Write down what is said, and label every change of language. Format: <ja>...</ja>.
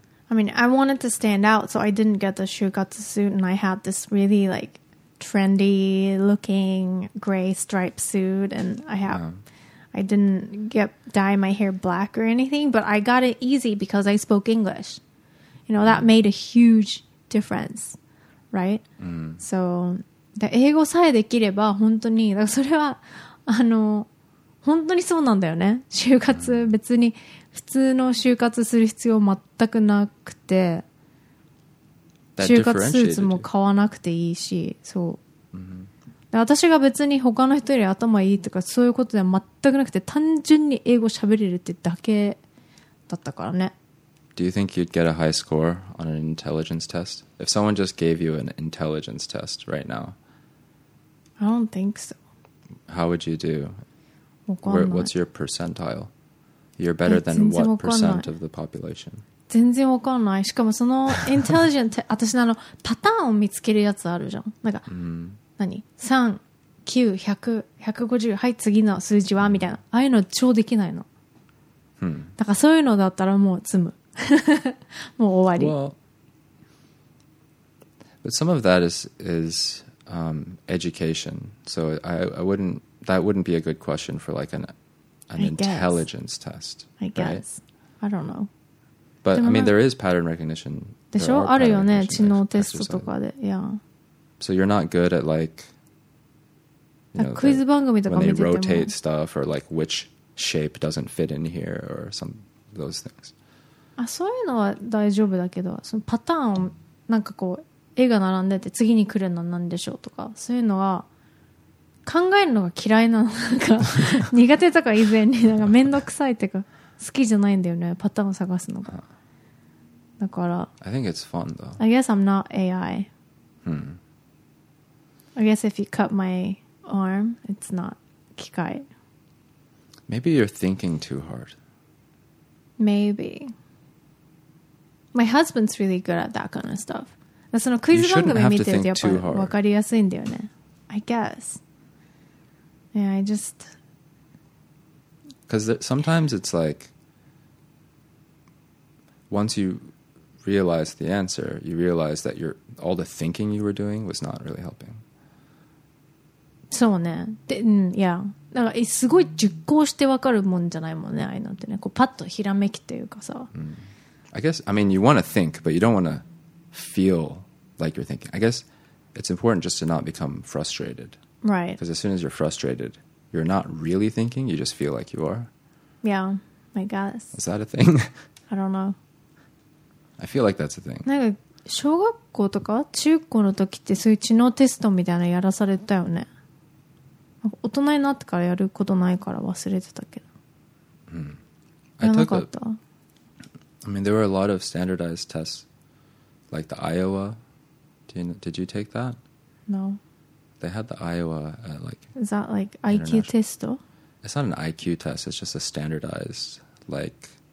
<en>I mean, I wanted to stand out, so I didn't get the shukatsu suit, and I had this really, like, trendy-looking gray striped suit, and I didn't dye my hair black or anything, but I got it easy because I spoke English. You know, that made a huge difference, right? Mm.</en> <ja>So, 英語さえできれば、本当に、だからそれは、本当にそうなんだよね。就活、別に、普通の就活する必要全くなくて、就活スーツも買わなくていいし、そう。 Mm-hmm. で私が別に他の人より頭いいとか、そういうことでは全くなくて、単純に英語喋れるってだけだったからね。</ja> <en>Do you think you'd get a high score on an intelligence test? If someone just gave you an intelligence test right now? I don't think so. How would you do? Where, what's your percentile? You're better than what percent of the population?</en> <ja>全然わかんない。しかもその intelligent 私のパターンを見つけるやつあるじゃん。なんか、 mm. 何？三、 9、100、150、はい、次の数字はみたいな。ああいうの超できないの。だからそういうのだったらもう詰む。もう終わり。</ja> <en>Well, but some of that is education. So that wouldn't be a good question for like an intelligence test. I guess.、 Right? I don't know. But I mean, there is pattern recognition.</en> <ja>でしょ？あるよね。知能テストとかで。Yeah.</ja> <en>So you're not good at like, you know,</en> <ja>クイズ番組とか見てても</ja> <en>when they rotate stuff or like which shape doesn't fit in here or some of those things.</en> <ja>あ、そういうのは大丈夫だけど、そのパターンをなんかこう絵が並んでて次に来るのは何でしょうとか、そういうのは考えるのが嫌いなのか苦手とか以前になんかめんどくさいっていうか好きじゃないんだよね、パターンを探すのが。だから</ja> <en>I think it's fun though. I guess I'm not AI. Hmm. I guess if you cut my arm, it's not 機械. Maybe you're thinking too hard. Maybe. My husband's really good at that kind of stuff.</en> <ja>そのクイズ番組見てるとやっぱり分かりやすいんだよね。</ja> <en>I guess. Yeah, I just... Because sometimes it's like... Once you realize the answer, you realize that all the thinking you were doing was not really helping.</en> <ja>そうね。で、うん、いや。だから、すごい熟考して分かるもんじゃないもんね、ああいうのってね。こう、パッとひらめきっていうかさ。</ja> <en>I guess, I mean, you want to think, but you don't want to feel like you're thinking. I guess it's important just to not become frustrated. Right. Because as soon as you're frustrated, you're not really thinking, you just feel like you are. Yeah, I guess. Is that a thing? I don't know. I feel like that's a thing.</en> <ja>なんか、小学校とか中高の時ってそういう知能テストみたいなのやらされたよね。大人になってからやることないから忘れてたけど。やらなかった。</ja> <en>I mean, there were a lot of standardized tests, like the Iowa. Did you take that? No. They had the Iowa like. Is that like IQ test? It's not an IQ test. It's just a standardized like.</en>